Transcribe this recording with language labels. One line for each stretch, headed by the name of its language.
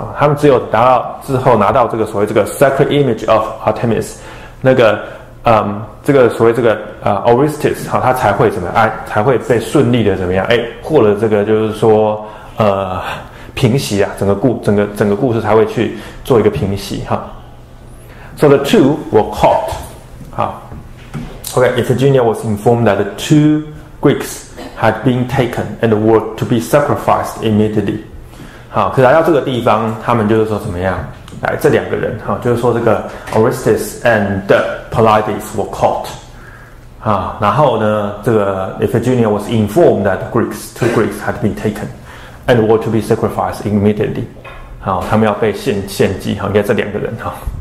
Chinese: 他们只有达到之后拿到这个所谓这个
English: sacred image of Artemis,
Chinese: 那个这个所谓这个Orestes, 他才会怎么样才会被顺利的怎么样获得这个就是说平息啊整个故事才会去做一个平息。
English: So the two were caught. Okay, Iphigenia was informed that the two Greeks had been taken and were to be sacrificed immediately.
Chinese: 好，可是来到这个地方，他们就是说怎么样？来，这两个人，好，就是说这个
English: Orestes and Polydeus were caught.
Chinese: 啊，然后呢，这个
English: Iphigenia was informed that two Greeks had been taken and were to be sacrificed immediately.
Chinese: 好，他们要被献祭，好，应该这两个人，好。